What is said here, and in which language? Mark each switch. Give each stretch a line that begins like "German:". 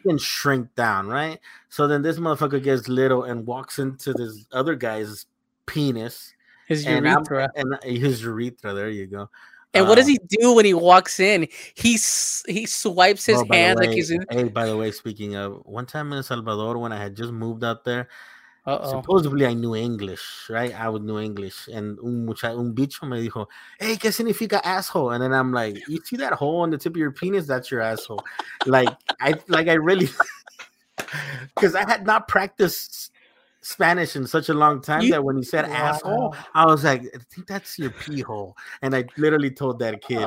English: He can shrink down, right? So then this motherfucker gets little and walks into this other guy's penis, his urethra, and his urethra. There you go. And what does he do when he walks in? He swipes his hand like he's. Hey, by the way, speaking of one time in El Salvador when I had just moved out there. Uh-oh. Supposedly, I knew English, right? I would know English.
Spanish: And un bicho me dijo, hey, ¿qué significa asshole?
English: And then I'm like, you see that hole on the tip of your penis? That's your asshole. Like, I really... Because I had not practiced Spanish in such a long time that when he said asshole, I was like, I think that's your pee hole. And I literally told that kid.